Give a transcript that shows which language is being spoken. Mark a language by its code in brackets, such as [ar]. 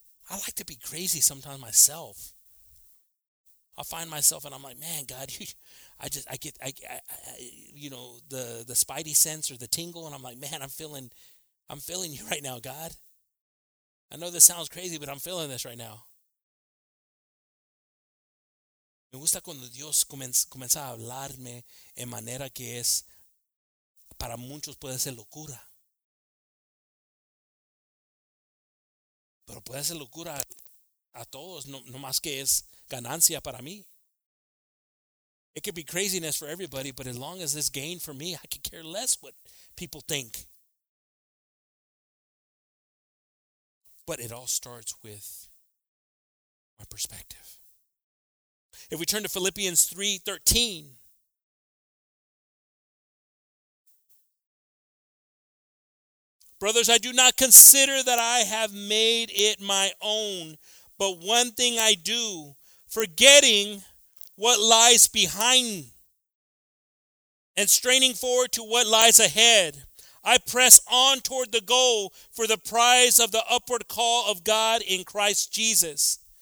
[en] I like to be crazy sometimes myself. I find myself and I'm like, man, God, I get the spidey sense or the tingle, and I'm like, man, I'm feeling you right now, God. I know this sounds crazy, but I'm feeling this right now. [es] Me gusta cuando Dios comienza a hablarme en manera que es para muchos puede ser locura. Pero puede ser locura a todos, no más que es ganancia para mí. [en] It could be craziness for everybody, but as long as it's gain for me, I could care less what people think. But it all starts with my perspective. If we turn to Philippians 3:13, brothers, I do not consider that I have made it my own, but one thing I do, forgetting what lies behind and straining forward to what lies ahead, I press on toward the goal for the prize of the upward call of God in Christ Jesus.